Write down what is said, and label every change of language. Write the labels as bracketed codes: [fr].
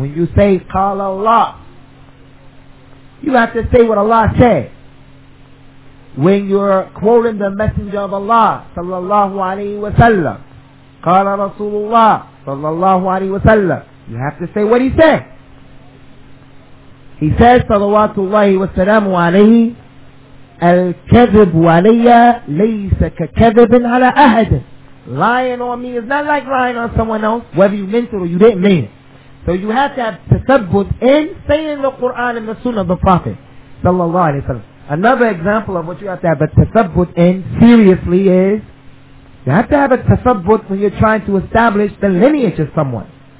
[en] When you say, Qala Allah, you have to say what Allah said. When you're quoting the Messenger of Allah, Sallallahu Alaihi Wasallam, Qala Rasulullah, Sallallahu Alaihi Wasallam, you have to say what he said. He says, [ar] صَلَوَاتُ اللَّهِ وَالسَّلَامُ عَلَيْهِ الْكَذِبُ عَلَيَّ لَيْسَ كَكَذِبٍ عَلَى أَهَدٍ. [en] Lying on me is not like lying on someone else, whether you meant it or you didn't mean it. So you have to have tathabbut in saying the Quran and the Sunnah of the Prophet, sallallahu alayhi wa sallam. Another example of what you have to have a tathabbut in, seriously, is you have to have a tathabbut when you're trying to establish the lineage of someone.